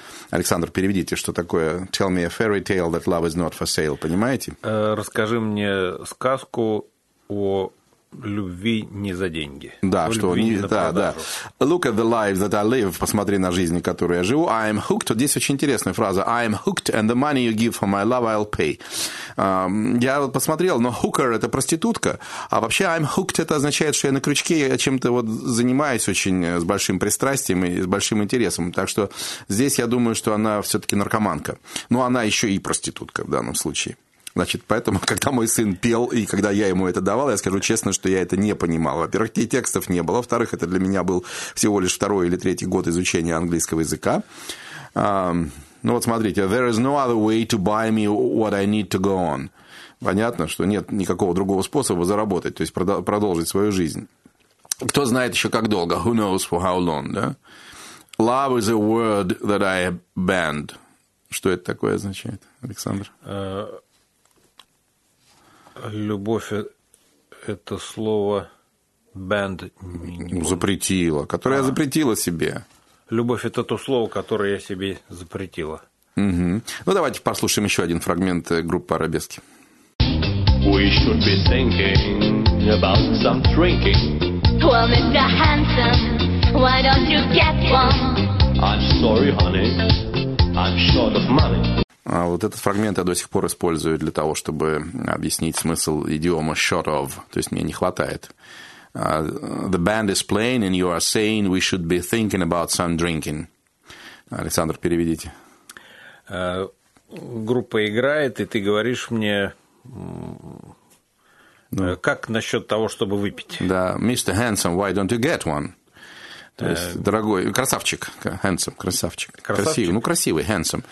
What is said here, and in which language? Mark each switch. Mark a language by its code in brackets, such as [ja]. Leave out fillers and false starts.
[ru] Александр, переведите, что такое [en] «Tell me a fairy tale that love is not for sale». [ru] Понимаете? Расскажи мне сказку о любви не за деньги. Да, что не, не да, да. [en] Look at the life that I live. [ru] Посмотри на жизнь, которую я живу. [en] I am hooked. [ru] Вот здесь очень интересная фраза. [en] I am hooked, and the money you give for my love, I'll pay. [ru] Я вот посмотрел, но hooker – это проститутка. А вообще, [en] I'm hooked [ru] – это означает, что я на крючке, я чем-то вот занимаюсь очень с большим пристрастием и с большим интересом. Так что здесь я думаю, что она все-таки наркоманка. Но она еще и проститутка в данном случае. Значит, поэтому, когда мой сын пел, и когда я ему это давал, я скажу честно, что я это не понимал. Во-первых, текстов не было. Во-вторых, это для меня был всего лишь второй или третий год изучения английского языка. Ну вот смотрите. [en] There is no other way to buy me what I need to go on. [ru] Понятно, что нет никакого другого способа заработать, то есть продолжить свою жизнь. Кто знает еще как долго? [en] Who knows for how long, да? Love is a word that I banned. [ru] Что это такое означает, Александр? Любовь – это слово «band». Запретила, которое я запретила себе. Любовь – это то слово, которое я себе запретила. Угу. Ну, давайте послушаем еще один фрагмент группы «Арабески». [en] We should be thinking about some drinking. Well, Mr. Handsome, why don't you get one? I'm sorry, honey, I'm short of money. [ru] А вот этот фрагмент я до сих пор использую для того, чтобы объяснить смысл идиома short of, то есть мне не хватает. [en] The band is playing and you are saying we should be thinking about some drinking. [ru] Александр, переведите. Группа играет, и ты говоришь мне, ну, как насчет того, чтобы выпить? [en] Да, Mr. Handsome, why don't you get one? [ru] То есть, дорогой, красавчик, handsome, красавчик. Красавчик? Красивый, ну, красивый, handsome.